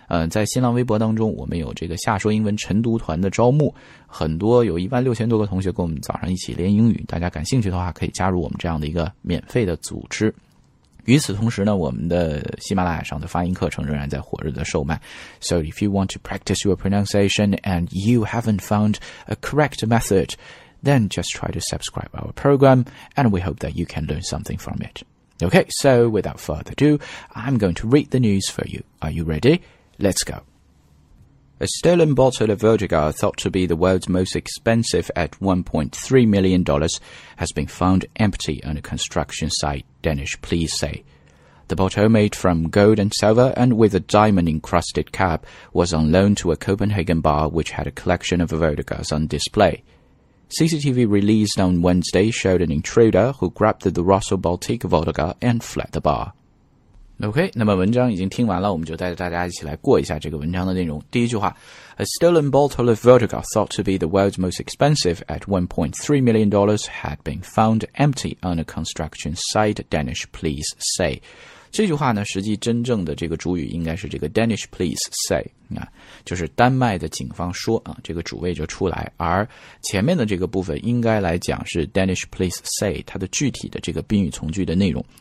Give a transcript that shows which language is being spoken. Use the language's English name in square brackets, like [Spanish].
[Chinese] 在新浪微博当中，我们有这个下说英文晨读团的招募，很多有16000多个同学跟我们早上一起练英语，大家感兴趣的话可以加入我们这样的一个免费的组织。与此同时呢，我们的喜马拉雅上的发音课程仍然在火热的售卖。 [English] So if you want to practice your pronunciation and you haven't found a correct method, then just try to subscribe our program and we hope that you can learn something from it. Okay, so without further ado, I'm going to read the news for you. Are you ready? Let's go. A stolen bottle of Verdigris thought to be the world's most expensive at $1.3 million has been found empty on a construction site. Danish police say. The bottle made from gold and silver and with a diamond-encrusted cap was on loan to a Copenhagen bar which had a collection of Verdigris on display. CCTV released on Wednesday showed an intruder who grabbed the Russell Baltic Vodka and fled the bar. [Chinese] OK, 那么文章已经听完了，我们就带着大家一起来过一下这个文章的内容。第一句话， [English] A stolen bottle of Verdigris thought to be the world's most expensive at $1.3 million had been found empty on a construction site, Danish police say. [Chinese] 这句话呢，实际真正的这个主语应该是这个 [English] Danish police say, [Chinese] 啊，就是丹麦的警方说啊，这个主谓就出来，而前面的这个部分应该来讲是 Danish police say, 它的具体的这个宾语从句的内容。